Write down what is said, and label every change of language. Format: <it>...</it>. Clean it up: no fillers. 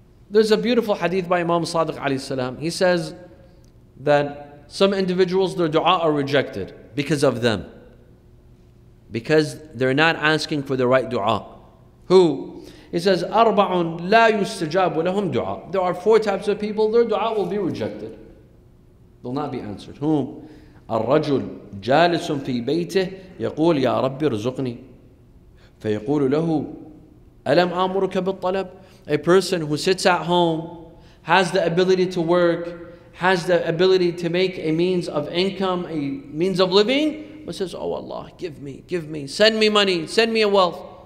<en>There's a beautiful hadith by Imam Sadiq alayhi salam. He says that some individuals, their dua are rejected because of them. Because they're not asking for the right dua. Who? He says,</en> <ar>أَرْبَعٌ لَا يُسْتَجَابُ لَهُمْ دُعَى.</ar> <en>There are four types of people, their dua will be rejected. They'll not be answered. Whom?</en> <ar>الرَّجُلْ جَالِسٌ فِي بَيْتِهِ يَقُولْ يَا رَبِّ رَزُقْنِي فَيَقُولْ لَهُ أَلَمْ أَمُرُكَ بِالطَّلَبِ.</ar> <en>A person who sits at home, has the ability to work, has the ability to make a means of income, a means of living, but says, oh Allah, give me, send me money, send me a wealth.</en>